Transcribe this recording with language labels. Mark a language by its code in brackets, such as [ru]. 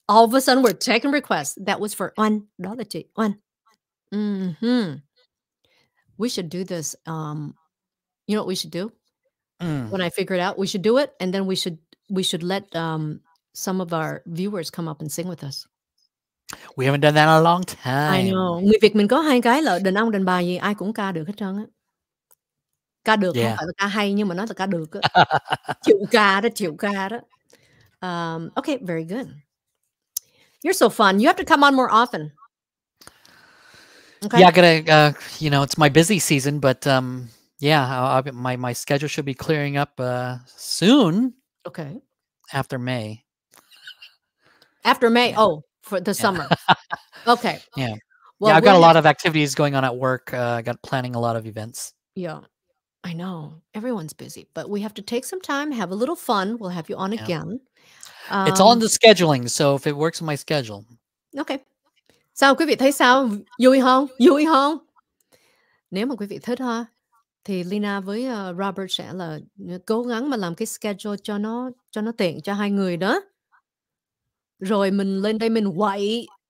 [en] All of a sudden we're taking requests. That was for one. Mm-hmm. We should do this. You know what we should do? Mm. When I figure it out, we should do it, and then we should let some of our viewers come up and sing with us. We haven't done that in a long time. I know. [vi] Người Việt mình có hai cái là đàn ông đàn bà gì ai cũng ca được hết trơn á. Ca được, yeah. Không phải là ca hay, nhưng mà nói là ca được. chịu ca đó. [en] Okay, very good. You're so fun. You have to come on more often. Okay. Yeah, I gotta, it's my busy season, but my schedule should be clearing up soon. Okay. After May. After May, yeah. Oh, for the summer. Yeah. Okay. Yeah. Well, yeah, I've got a lot of activities going on at work. I got planning a lot of events. Yeah. I know. Everyone's busy, but we have to take some time, have a little fun. We'll have you on again. It's all in the scheduling, so if it works in my schedule. [vi] Okay. Sao quý vị thấy sao? Vui không? Vui không? Nếu mà quý vị thích ha, thì Lina với Robert sẽ là cố gắng mà làm cái schedule cho nó tiện cho hai người đó. Rồi mình lên đây mình quậy.